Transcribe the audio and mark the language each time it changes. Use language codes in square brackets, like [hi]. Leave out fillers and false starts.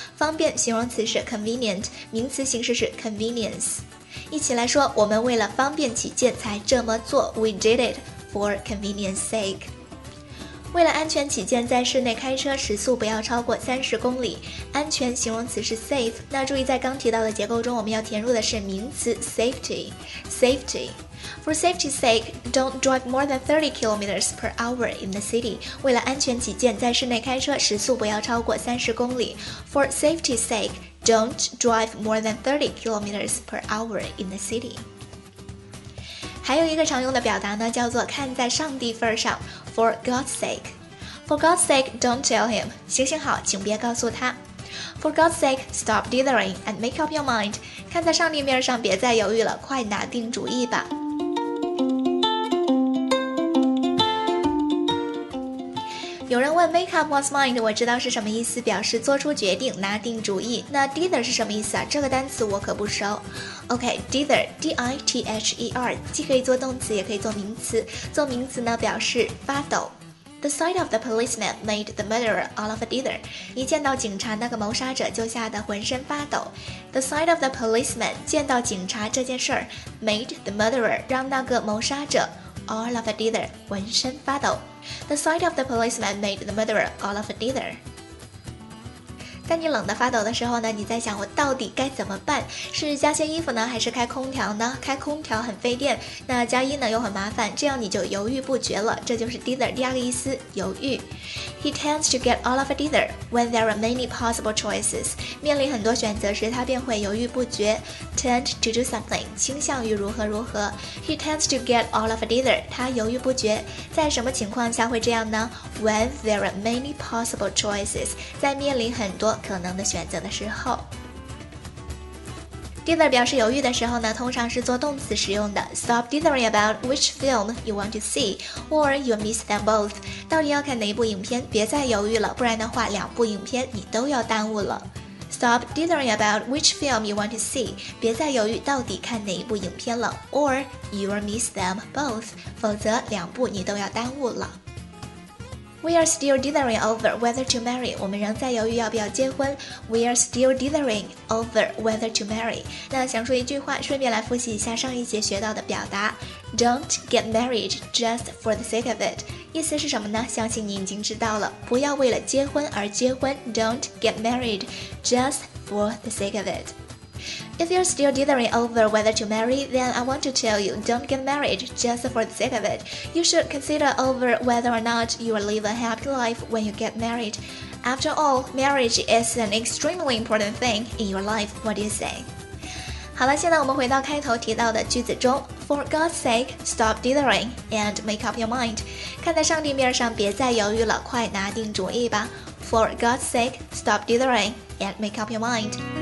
[zh] 方便形容词是 convenient， 名词形式是 convenience。一起来说，我们为了方便起见才这么做， [en] We did it for convenience sake。 [zh] 为了安全起见，在室内开车时速不要超过30公里，安全形容词是 safe。那注意，在刚提到的结构中，我们要填入的是名词 safety， safety。 [en] For safety's sake, don't drive more than 30 kilometers per hour in the city. [zh] 为了安全起见，在室内开车时速不要超过30公里。 [en] For safety's sake, don't drive more than 30 kilometers per hour in the city. [zh] 还有一个常用的表达呢，叫做看在上帝份上， [en] for God's sake. For God's sake, don't tell him. [zh] 行行好，请别告诉他。 [en] For God's sake, stop dithering and make up your mind. [zh] 看在上帝面上，别再犹豫了，快拿定主意吧。有人问 [en] make up one's mind， [zh] 我知道是什么意思，表示做出决定，拿定主意。那 dither 是什么意思啊？这个单词我可不熟。OK， dither， D-I-T-H-E-R， 既可以做动词也可以做名词。做名词呢，表示发抖。 [en] The sight of the policeman made the murderer all of a dither. [zh] 一见到警察，那个谋杀者就吓得浑身发抖。 [en] The sight of the policeman， [zh] 见到警察这件事儿， [en] made the murderer， [zh] 让那个谋杀者 [en] all of a dither， [zh] 浑身发抖。 [en] The sight of the policeman made the murderer all of a dither. [zh] 当你冷得发抖的时候呢，你在想我到底该怎么办，是加些衣服呢，还是开空调呢？开空调很费电，那加衣呢又很麻烦，这样你就犹豫不决了。这就是 dither 第二个意思，犹豫。 [en] He tends to get all of a dither when there are many possible choices. [zh] 面临很多选择时，他便会犹豫不决。 [en] Tend to do something， [zh] 倾向于如何如何。 [en] He tends to get all of a dither， [zh] 他犹豫不决。在什么情况下会这样呢？ [en] When there are many possible choices， [zh] 在面临很多可能的选择的时候。 dither 表示犹豫的时候呢，通常是做动词使用的。 [en] Stop dithering about which film you want to see or you miss them both， [zh] 到底要看哪一部影片，别再犹豫了，不然的话两部影片你都要耽误了。 [en] Stop dithering about which film you want to see， [zh] 别再犹豫到底看哪一部影片了， [en] or you will miss them both， [zh] 否则两部你都要耽误了。 [en] We are still dithering over whether to marry. [zh] 我们仍在犹豫要不要结婚。 [en] We are still dithering over whether to marry. [zh] 那想说一句话，顺便来复习一下上一节学到的表达。 [en] Don't get married just for the sake of it. [zh] 意思是什么呢？相信你已经知道了。不要为了结婚而结婚。 [en] Don't get married just for the sake of it. If you're still dithering over whether to marry, then I want to tell you, don't get married just for the sake of it. You should consider over whether or not you will live a happy life when you get married. After all, marriage is an extremely important thing in your life. What do you say? [zh] 好了，现在我们回到开头提到的句子中。 [en] For God's sake, stop dithering and make up your mind. [zh] 看在上帝面上，别再犹豫了，快拿定主意吧。 [en] For God's sake, stop dithering and make up your mind.